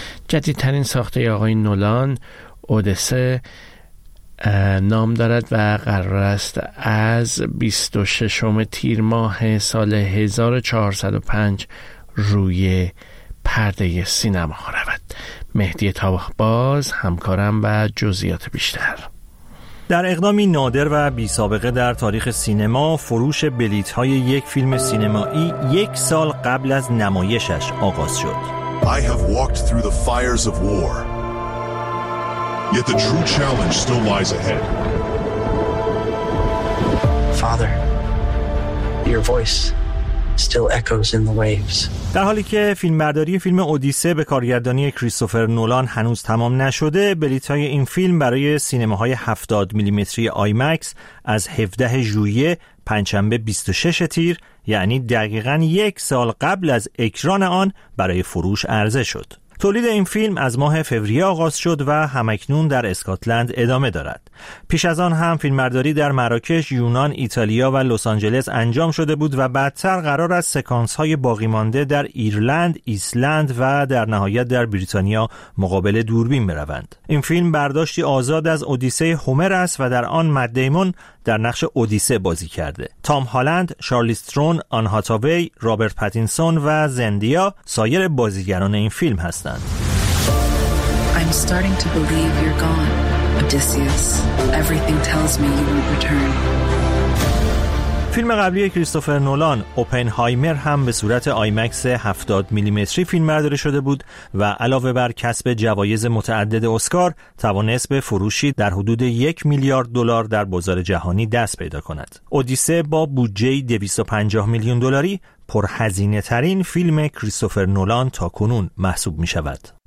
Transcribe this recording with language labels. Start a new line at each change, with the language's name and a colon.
Persian: جدیدترین ساخته آقای نولان اودسه نام دارد و قرار است از 26 تیر ماه سال 1405 روی پرده سینما ها رود. مهدی طاباز همکارم و جزئیات بیشتر. در اقدامی نادر و بی سابقه در تاریخ سینما، فروش بلیط های یک فیلم سینمایی یک سال قبل از نمایشش آغاز شد.
English: I have walked through the fires of war. Yet the true challenge still lies ahead. Father, your voice still echoes in the waves.
Persian: در حالی که فیلمبرداری فیلم اودیسه به کارگردانی کریستوفر نولان هنوز تمام نشده، بلیط‌های این فیلم برای سینماهای 70 میلی‌متری آیمکس از 17 ژوئیه پنجشنبه 26 تیر یعنی دقیقاً یک سال قبل از اکران آن برای فروش عرضه شد. تولید این فیلم از ماه فوریه آغاز شد و همکنون در اسکاتلند ادامه دارد. پیش از آن هم فیلمبرداری در مراکش، یونان، ایتالیا و لس آنجلس انجام شده بود و بعدتر قرار است سکانس‌های باقی مانده در ایرلند، ایسلند و در نهایت در بریتانیا مقابل دوربین بروند. این فیلم برداشتی آزاد از اودیسه هومر است و در آن مد دیمون در نقش اودیسه بازی کرده. تام هالند، شارلیز ترون، آن هاتاوی، رابرت پاتینسون و زندیا سایر بازیگران این فیلم هستند.
English: I'm starting to believe you're gone, Odysseus. Everything tells me you won't return.
Persian: فیلم قبلی کریستوفر نولان، اوپنهایمر، هم به صورت آیمکس 70 میلیمتری فیلم برداری شده بود و علاوه بر کسب جوایز متعدد اسکار، توانست به فروشی در حدود 1 میلیارد دلار در بازار جهانی دست پیدا کند. اودیسه با بودجه 250 میلیون دلاری پرهزینه ترین فیلم کریستوفر نولان تا کنون محسوب می شود.